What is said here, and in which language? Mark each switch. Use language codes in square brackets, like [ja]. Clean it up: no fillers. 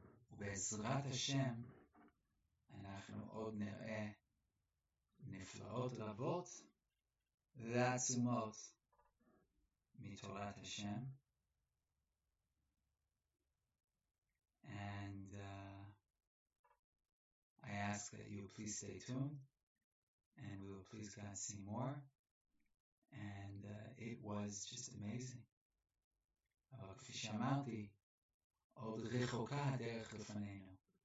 [he] ובעזרת השם, אנחנו עוד נראה נפלאות רבות ועצומות מתורת השם. [en] And I ask that you please stay tuned, and we will please God see more. And it was just amazing. [he] אבל כפי שאמרתי, עוד רחוקה הדרך לפנינו.